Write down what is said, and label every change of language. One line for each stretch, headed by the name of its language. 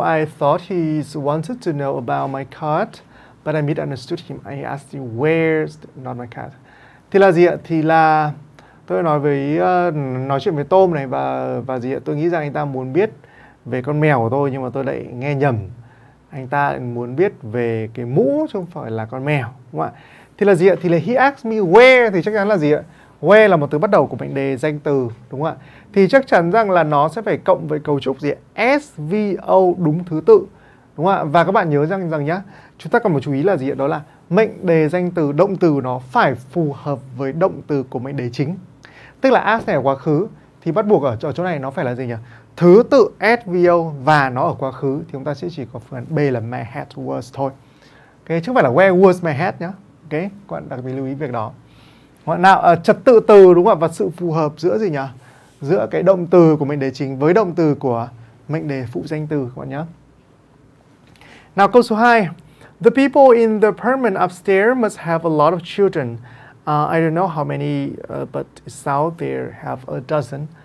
English: I thought he wanted to know about my cat, but I misunderstood him. I asked him where's the, not my cat.
Vietnamese: Thì là gì ạ? Thì là tôi nói chuyện với Tom này và gì ạ? Tôi nghĩ rằng anh ta muốn biết về con mèo của tôi nhưng mà tôi lại nghe nhầm. Anh ta muốn biết về cái mũ chứ không phải là con mèo, đúng không ạ? Thì là gì ạ? Thì là
English: he asked me where,
Vietnamese: thì chắc chắn là gì ạ? Where là một từ bắt đầu của mệnh đề danh từ, đúng không ạ? Thì chắc chắn rằng là nó sẽ phải cộng với cấu trúc gì ạ? SVO đúng thứ tự, đúng không ạ? Và các bạn nhớ rằng nhá, chúng ta cần một chú ý là gì ạ? Đó là mệnh đề danh từ động từ nó phải phù hợp với động từ của mệnh đề chính. Tức là ask này ở quá khứ thì bắt buộc ở chỗ này nó phải là gì nhỉ? Thứ tự SVO và nó ở quá khứ thì chúng ta sẽ chỉ có phương án B là
English: my hat was
Vietnamese: thôi. Okay, chứ không phải là
English: where was my hat
Vietnamese: nhá. Ok, các bạn đặc biệt lưu ý việc đó. Nào, trật tự từ đúng không ạ? Và sự phù hợp giữa gì nhỉ? Giữa cái động từ của mệnh đề chính với động từ của mệnh đề phụ danh từ các bạn nhé. Nào, câu số 2.
English: The people in the apartment upstairs must have a lot of children. I don't know how many, but it's out there have a dozen.